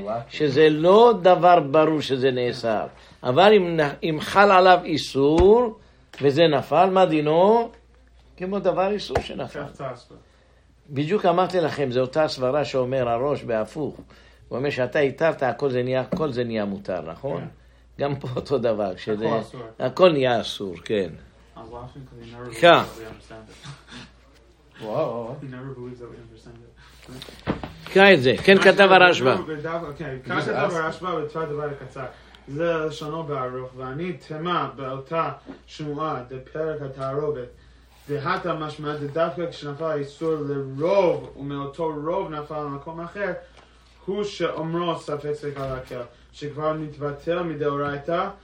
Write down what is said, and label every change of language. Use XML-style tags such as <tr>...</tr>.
<he>שזה לא דבר ברור שזה נעשה. אבל אם חל עליו איסור, וזה נפל, מה דינו? כמו דבר איסור שנפל. חפצה אסורה. בדיוק אמרתי לכם, זו אותה הסברה שאומר הראש בהפוך. הוא אומר שאתה התארת, הכל זה נהיה מותר, נכון? גם פה אותו דבר. הכל אסור. הכל נהיה אסור, כן.</he> <en>I'm laughing because he never believes that we understand it.</en> <he>קרא את זה. כן כתב הרשב"א. קרא את הרשב"א ותראה דבר קצר. זה לשונו בארוך, ואני תמה באותה שמועה, דפרק התערובת, והתה משמע, דווקא כשנפל האיסור לרוב, ומאותו רוב נפל למקום אחר, הוא שאומרו ספק ספק על הכל, שכבר נתבטל מדאורייתא.</he>